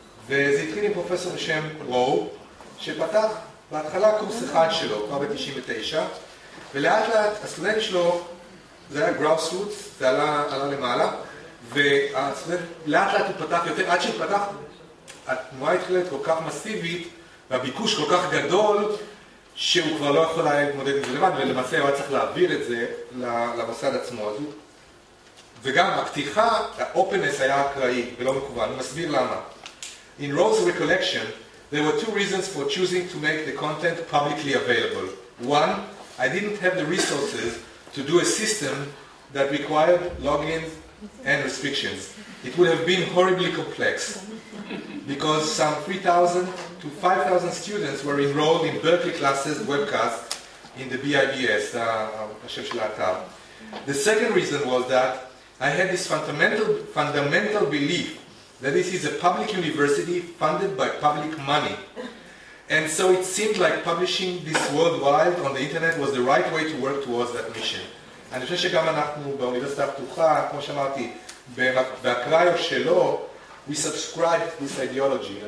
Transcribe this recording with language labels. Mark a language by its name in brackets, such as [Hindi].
[Hebrew] וזה התחיל עם פרופסור בשם רו, שפתח בהתחלה קורס אחד שלו, כבר ב-99, ולאט לאט הסטודנט שלו, זה היה grassroots, זה עלה למעלה, והסטודנט לאט לאט הוא פתח יותר, עד שהתפתח, התנועה התחילה כל כך מסיבית, והביקוש כל כך גדול, שהוא כבר לא יכול היה להתמודד עם זה לבד, ולמעשה הוא היה צריך להעביר את זה למוסד עצמו הזה. וגם הפתיחה, האופנס היה אקראי ולא מקוון, אני מסביר למה. [English] In Rose's recollection, there were 2 reasons for choosing to make the content publicly available. One, I didn't have the resources to do a system that required logins and restrictions. It would have been horribly complex. Because some 3,000 to 5,000 students were enrolled in Berkeley classes webcast in the BIBS, [Hebrew] השם של האתר. [English] The second reason was that I had this fundamental belief that this is a public university funded by public money. And so it seemed like publishing this worldwide on the internet was the right way to work towards that mission. [Hebrew] אני חושב שגם אנחנו באוניברסיטה הפתוחה, כמו שאמרתי, באקראי או שלא, [English] we subscribe to this ideology.